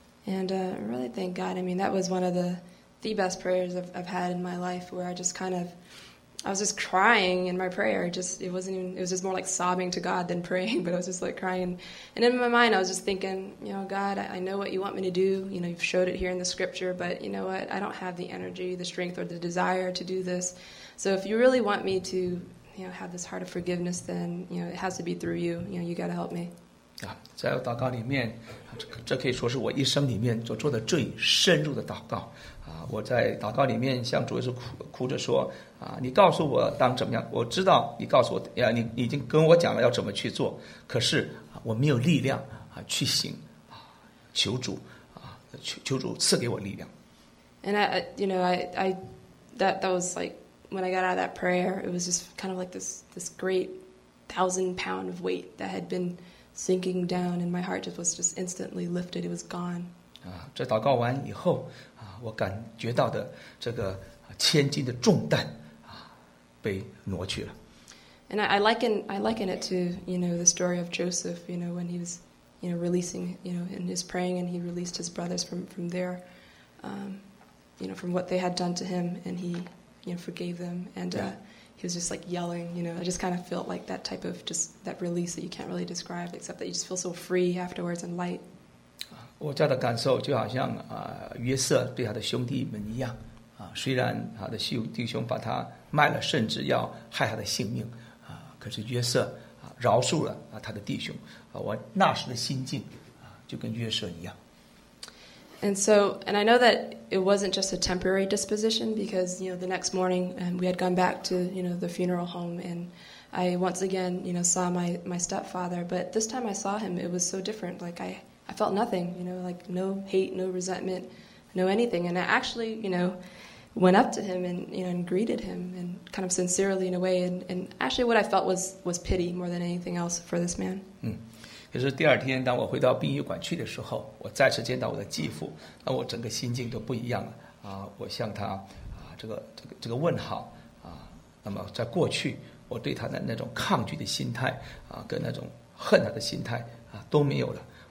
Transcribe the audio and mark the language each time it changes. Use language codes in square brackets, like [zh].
[en] And really thank God. I mean, that was one of the best prayers I've had in my life, where I just kind of, I was just crying in my prayer. It was just more like sobbing to God than praying, but I was just like crying. And in my mind, I was just thinking, you know, God, I know what you want me to do. You know, you've showed it here in the scripture, but you know what? I don't have the energy, the strength, or the desire to do this. So if you really want me to, you know, have this heart of forgiveness, then, you know, it has to be through you. You know, you got to help me. [zh] 在祷告里面，这可以说是我一生里面所做的最深入的祷告。我在祷告里面向主耶稣哭着说，你告诉我当怎么样，我知道你告诉我，你已经跟我讲了要怎么去做，可是我没有力量去行，求主，求主赐给我力量。 [en] And I, you know, that was like, when I got out of that prayer, it was just kind of like this great 1,000-pound of weight that had been sinking down, and my heart was just instantly lifted, it was gone. [zh] 这祷告完以后，我感觉到的这个千斤的重担被挪去了。 [en] And I liken it to, you know, the story of Joseph, you know, when he was, you know, releasing, you know, in his praying, and he released his brothers from there, you know, from what they had done to him, and he, you know, forgave them. And he was just like yelling, you know, I just kind of felt like that type of just that release that you can't really describe, except that you just feel so free afterwards and light. [zh] 我这样的感受就好像约瑟对他的兄弟们一样，虽然他的弟兄把他卖了，甚至要害他的性命，可是约瑟饶恕了他的弟兄，我那时的心境就跟约瑟一样。 [en] And I know that it wasn't just a temporary disposition, because, you know, the next morning we had gone back to, you know, the funeral home, and I once again, you know, saw my stepfather, but this time I saw him, it was so different. Like, I felt nothing, you know, like no hate, no resentment, no anything. And I actually, you know, went up to him and, you know, and greeted him, and kind of sincerely in a way. And actually what I felt was pity more than anything else for this man. [zh] 可是第二天当我回到殡仪馆去的时候，我再次见到我的继父，那我整个心境都不一样了。我向他这个问好。那么在过去我对他的那种抗拒的心态跟那种恨他的心态都没有了。